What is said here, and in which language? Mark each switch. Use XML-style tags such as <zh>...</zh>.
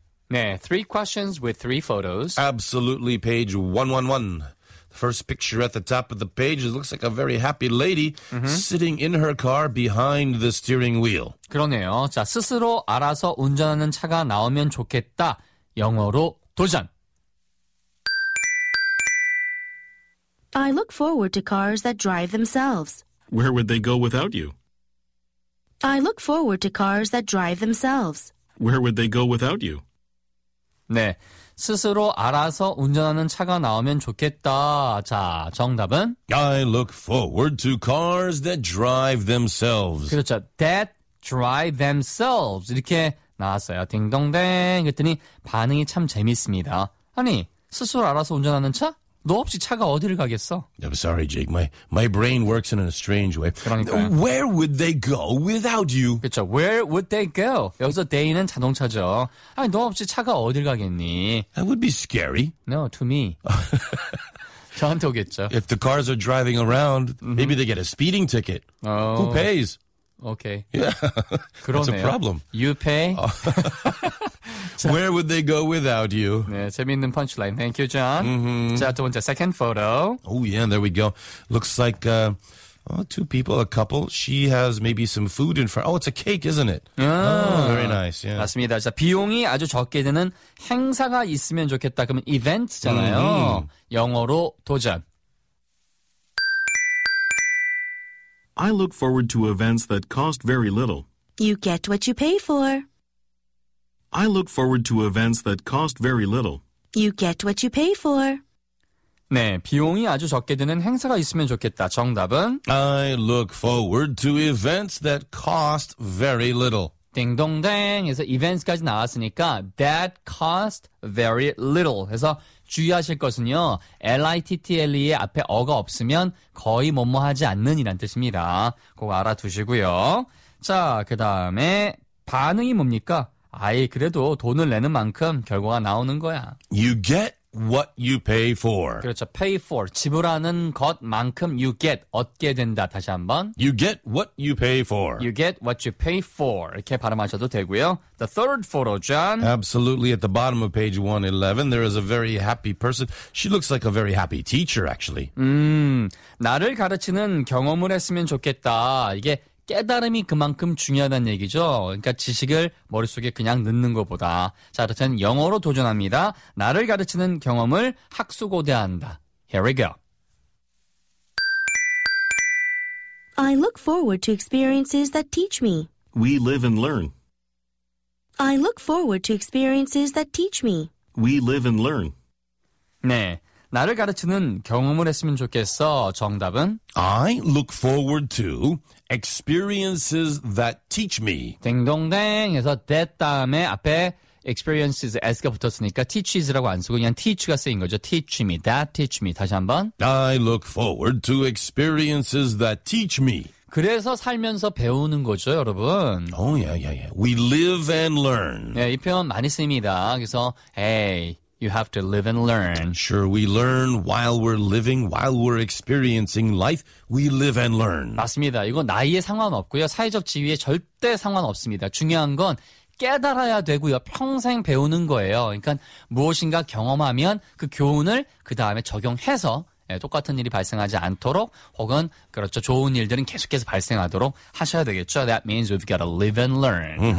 <en>네, three questions with three photos. Absolutely, page 111. First picture at the top of the page, it looks like a very happy lady sitting in her car behind the steering wheel.</en> <ko>그러네요. 자, 스스로 알아서 운전하는 차가 나오면 좋겠다. 영어로 도전!</ko> <en>I look forward to cars that drive themselves. Where would they go without you? I look forward to cars that drive themselves. Where would they go without you?</en> <ko>네. 스스로 알아서 운전하는 차가 나오면 좋겠다. 자, 정답은?</ko> <en>I look forward to cars that drive themselves.</en> <ko>그렇죠.</ko> <en>That drive themselves.</en> <ko>이렇게 나왔어요. 딩동댕. 그랬더니 반응이 참 재밌습니다. 아니, 스스로 알아서 운전하는 차? 너 없이 차가 어디를 가겠어?</ko> <en>I'm sorry, Jake. My brain works in a strange way.</en> <ko>그러니까요.</ko> <en>Where would they go without you? 그렇죠. Where would they go?</en> <ko>여기서 they는 자동차죠. 아니, 너 없이 차가 어딜 가겠니?</ko> <en>That would be scary. No, to me.</en> <ko>저한테 오겠죠.</ko> <en>If the cars are driving around, mm-hmm. maybe they get a speeding ticket. Oh. Who pays? Okay. Yeah.</en> <ko>그러네요.</ko> <en>That's a problem. You pay? Where would they go without you?</en> <ko>네, 재미있는 punchline.</ko> <en>Thank you, John. Mm-hmm.</en> <ko>자, 두 번째, second photo.</ko> <en>Oh, yeah, there we go. Looks like two people, a couple. She has maybe some food in front. Oh, it's a cake, isn't it? Yeah. Oh, very nice. Yeah.</en> <ko>맞습니다. 자, 비용이 아주 적게 드는 행사가 있으면 좋겠다. 그러면 event잖아요. Mm-hmm. 영어로 도전.</ko> <en>I look forward to events that cost very little. You get what you pay for. I look forward to events that cost very little. You get what you pay for.</en> <ko>네, 비용이 아주 적게 드는 행사가 있으면 좋겠다. 정답은?</ko> <en>I look forward to events that cost very little.</en> <ko>딩동댕 해서 events까지 나왔으니까</ko> <en>that cost very little</en> <ko>해서 주의하실 것은요. L-I-T-T-L-E의 앞에 어가 없으면 거의 뭐뭐 하지 않는 이란 뜻입니다. 꼭 알아두시고요. 자, 그 다음에 반응이 뭡니까? 아이, 그래도 돈을 내는 만큼 결과가 나오는 거야.</ko> <en>You get what you pay for. 그렇죠. Pay for.</en> <ko>지불하는 것만큼</ko> <en>you get,</en> <ko>얻게 된다. 다시 한번.</ko> <en>You get what you pay for. You get what you pay for.</en> <ko>이렇게 발음하셔도 되고요.</ko> <en>The third photo, John. Absolutely. At the bottom of page 111, there is a very happy person. She looks like a very happy teacher, actually.</en> <ko>나를 가르치는 경험을 했으면 좋겠다. 이게 깨달음이 그만큼 중요하다는 얘기죠. 그러니까 지식을 머릿속에 그냥 넣는 것보다. 자, 그렇다면 영어로 도전합니다. 나를 가르치는 경험을 학수고대한다.</ko> <en>Here we go. I look forward to experiences that teach me. We live and learn. I look forward to experiences that teach me. We live and learn.</en> <ko>네. 나를 가르치는 경험을 했으면 좋겠어. 정답은?</ko> <en>I look forward to experiences that teach me.</en> <ko>딩동댕 해서 that 다음에 앞에 experiences, s가 붙었으니까 teaches라고 안 쓰고 그냥 teach가 쓰인 거죠.</ko> <en>Teach me, that teach me.</en> <ko>다시 한번.</ko> <en>I look forward to experiences that teach me.</en> <ko>그래서 살면서 배우는 거죠, 여러분.</ko> <en>Oh, yeah, yeah, yeah. We live and learn.</en> <ko>네, 이 표현 많이 씁니다. 그래서, hey.</ko> <en>You have to live and learn. Sure, we learn while we're living, while we're experiencing life. We live and learn.</en> <ko>맞습니다. 이거 나이에 상관없고요. 사회적 지위에 절대 상관없습니다. 중요한 건 깨달아야 되고요. 평생 배우는 거예요. 그러니까 무엇인가 경험하면 그 교훈을 그 다음에 적용해서 예, 똑같은 일이 발생하지 않도록 혹은 그렇죠 좋은 일들은 계속해서 발생하도록 하셔야 되겠죠.</ko> <en>That means we've got to live and learn.</en>